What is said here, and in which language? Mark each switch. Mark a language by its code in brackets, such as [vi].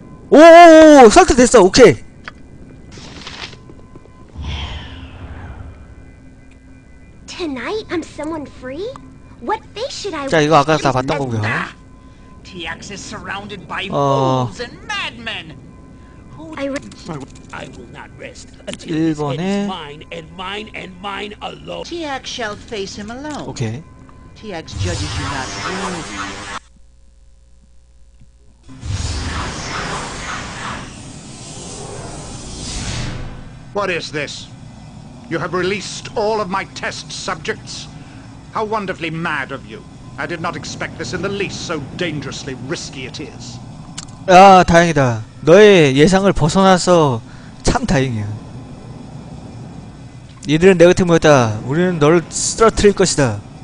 [ko] 오오오! 설득 됐어! 오케이! [en] 태나잇? I'm someone free? What face should I... [ko] 자, 이거 아까 다 봤던 거구요. [en] TX is surrounded by fools and madmen! I will not rest until his head is mine and mine and mine alone. TX shall face him alone. Okay. TX judges you not worthy. What is this? You have released all of my test subjects? How wonderfully mad of you. I did not expect this in the least, so dangerously risky it is. [ko] 아, 다행이다. 너의 예상을 벗어나서 참 다행이야. 니들은 내 곁에 모였다. 우리는 너를 쓰러뜨릴 것이다.